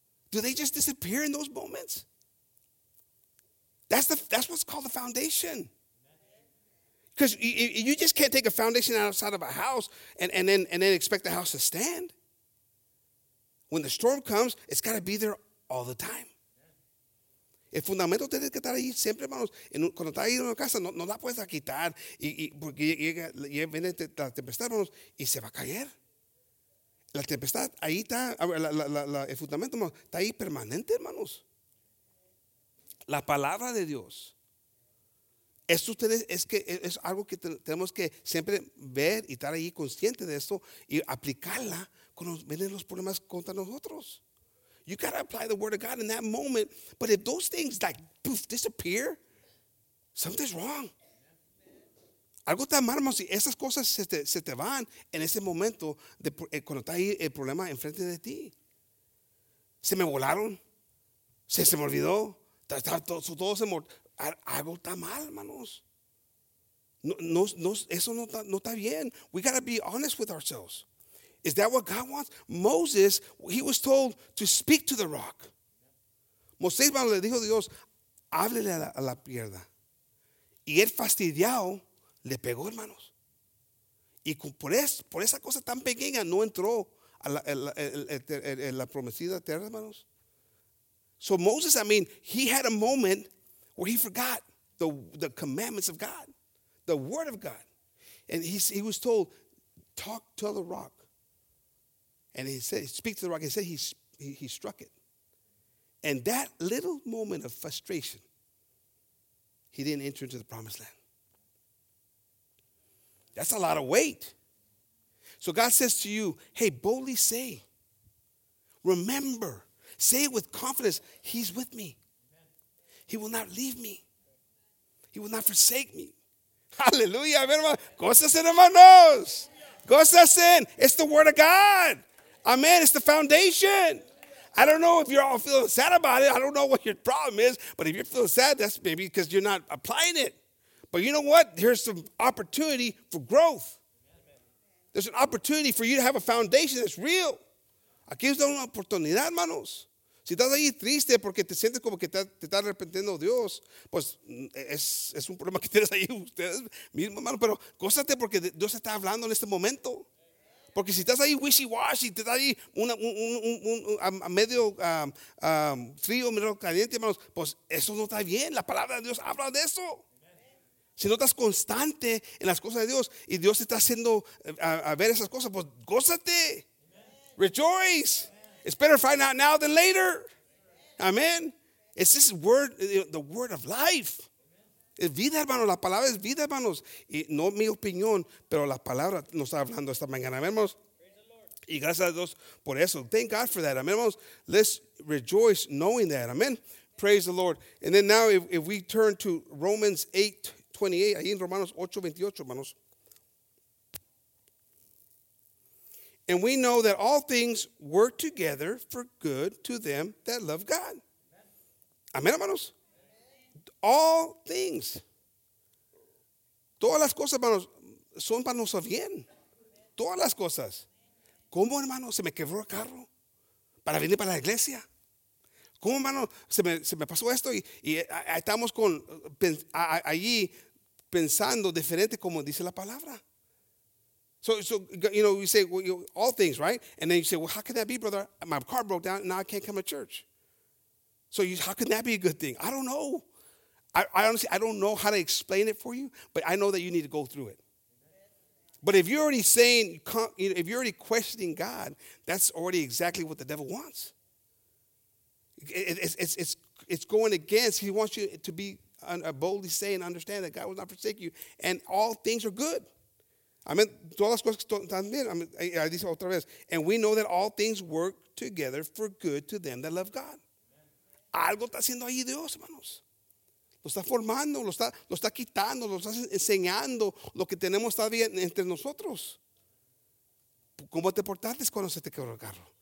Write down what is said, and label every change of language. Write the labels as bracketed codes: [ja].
[en] Do they just disappear in those moments? That's what's called the foundation. Because you just can't take a foundation outside of a house and then expect the house to stand. When the storm comes, it's got to be there all the time. [es] El fundamento tiene que estar ahí siempre, hermanos. Cuando está ahí en una casa, no la puedes quitar. Y porque viene la tempestad, hermanos, y se va a caer. La tempestad, ahí está, el fundamento, hermanos, está ahí permanente, hermanos. La palabra de Dios. Esto ustedes es que es algo que tenemos que siempre ver y estar ahí consciente de esto y aplicarla cuando vienen los problemas contra nosotros. [en] You got to apply the word of God in that moment. But if those things like poof disappear, something's wrong. [es] Algo está mal, hermano, si esas cosas se te van en ese momento cuando está ahí el problema enfrente de ti. Se me volaron. Se me olvidó. Todo se algo está mal, hermanos. No, eso no está bien. [en] We got to be honest with ourselves. Is that what God wants? Moses, he was told to speak to the rock. [es] Moisés, hermano, le dijo a Dios, háblele a la piedra. Y él fastidiado le pegó, hermanos. Y por esa cosa tan pequeña no entró a la prometida tierra, hermanos. [en] So Moses, I mean, he had a moment where he forgot the commandments of God, the word of God. And he was told, talk to the rock. And he said, speak to the rock. He said he struck it. And that little moment of frustration, he didn't enter into the promised land. That's a lot of weight. So God says to you, hey, boldly say. Remember, say it with confidence. He's with me. He will not leave me. He will not forsake me. Hallelujah. [es] Gózase, hermanos. Gózase. [en] It's the word of God. Amen. It's the foundation. I don't know if you're all feeling sad about it. I don't know what your problem is. But if you're feeling sad, that's maybe because you're not applying it. But you know what? There's some opportunity for growth. There's an opportunity for you to have a foundation that's real. [es] Aquí está una oportunidad, hermanos. Si estás ahí triste porque te sientes como que te está arrepentiendo Dios, pues es un problema que tienes ahí ustedes mismos, hermanos. Pero gózate porque Dios está hablando en este momento. Porque si estás ahí wishy-washy, te estás ahí a medio frío, medio caliente, hermanos, pues eso no está bien. La palabra de Dios habla de eso. Si no estás constante en las cosas de Dios y Dios te está haciendo a ver esas cosas, pues gózate. [en] Rejoice. Amen. It's better to find out now than later. Amen. It's this word, the word of life. [es] Es vida, hermanos. La palabra es vida, hermanos. Y no mi opinión, pero la palabra nos está hablando esta mañana, hermanos. Y gracias a Dios por eso. [en] Thank God for that. Amen, hermanos. Let's rejoice knowing that. Amen. Praise the Lord. And then now if we turn to Romans 8:28, [es] ahí en Romanos 8:28, hermanos. [en] And we know that all things work together for good to them that love God. Amen, hermanos. All things. [es] Todas las cosas, hermanos, son para nosotros bien. Todas las cosas. ¿Cómo, hermano, se me quebró el carro para venir para la iglesia? ¿Cómo, hermano, se me pasó esto? Y estamos allí pensando diferente como dice la palabra. [en] So you know, you say, well, all things, right? And then you say, well, how can that be, brother? My car broke down, now I can't come to church. So how can that be a good thing? I don't know. I honestly don't know how to explain it for you, but I know that you need to go through it. But if you're already saying, if you're already questioning God, that's already exactly what the devil wants. It's going against. He wants you to be boldly say and understand that God will not forsake you, and all things are good. Amen. [es] Todas las cosas están bien. Ahí dice otra vez. [en] And we know that all things work together for good to them that love God. [es] Algo está haciendo ahí Dios, hermanos. Lo está formando, lo está quitando, lo está enseñando lo que tenemos todavía entre nosotros. ¿Cómo te portaste cuando se te quebró el carro?